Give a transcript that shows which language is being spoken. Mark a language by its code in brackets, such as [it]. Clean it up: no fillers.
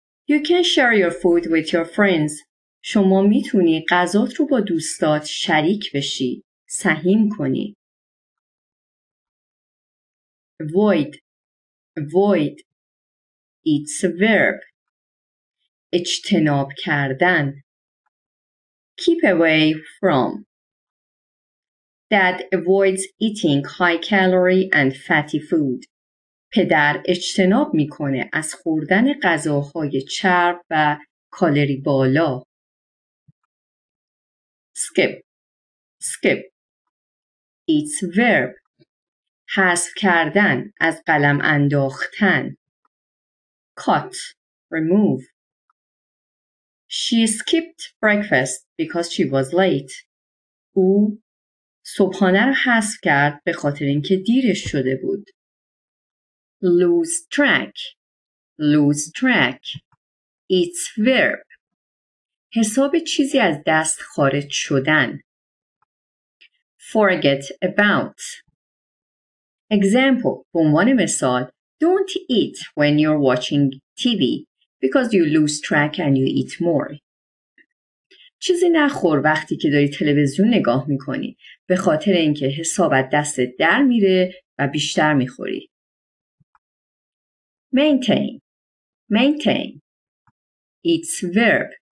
[en] You can share your food with your friends. [fa] شما میتونی غذات رو با دوستات شریک بشی. سهیم کنی. [en] Avoid. Avoid. It's a verb. [fa] اجتناب کردن. [en] Keep away from. Dad avoids eating high calorie and fatty food. [fa] پدر اجتناب میکنه از خوردن غذاهای چرب و کالری بالا. [en] Skip. Skip. It's verb. [fa] حذف کردن، از قلم انداختن. [en] Cut. Remove. She skipped breakfast because she was late. [fa] او صبحانه را حذف کرد به خاطر اینکه دیرش شده بود. [en] Lose track. Lose track. It's verb. [fa] حساب چیزی از دست خارج شدن. [en] Forget about. [fa] Example. به عنوان مثال. [en] Don't eat when you're watching TV because you lose track and you eat more. [fa] چیزی نخور وقتی که داری تلویزیون نگاه میکنی به خاطر اینکه حساب از دستت در میره و بیشتر میخوری. [en] Maintain. Maintain. It's verb.